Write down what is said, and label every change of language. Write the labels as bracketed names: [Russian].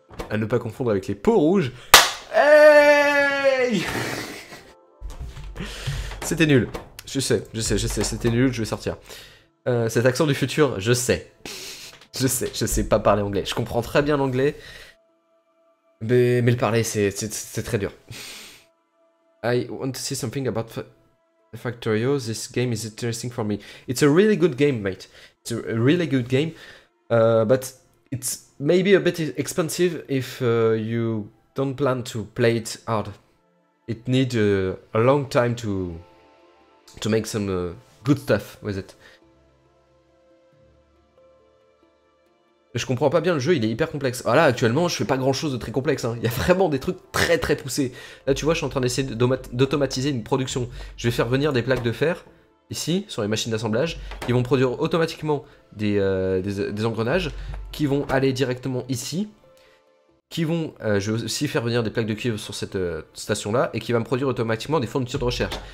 [French] À ne pas confondre avec les peaux rouges. Hey. C'était nul. Je sais, je sais, je sais, c'était nul, je vais sortir. Cet accent du futur, je sais. Je sais, je sais pas parler anglais. Je comprends très bien l'anglais. Mais le parler, c'est très dur. [English] I want to see something about Factorio. This game is interesting for me. It's a really good game, mate. It's a really good game. But it's maybe a bit expensive if you don't plan to play it hard. It needs a long time to make some good stuff with it. [French] Je comprends pas bien le jeu, il est hyper complexe. Voilà, actuellement, je fais pas grand chose de très complexe. Hein. Il y a vraiment des trucs très très poussés. Là, tu vois, je suis en train d'essayer d'automatiser une production. Je vais faire venir des plaques de fer, ici, sur les machines d'assemblage, qui vont produire automatiquement des engrenages, qui vont aller directement ici, qui vont, je vais aussi faire venir des plaques de cuivre sur cette station-là, et qui va me produire automatiquement des fournitures de recherche.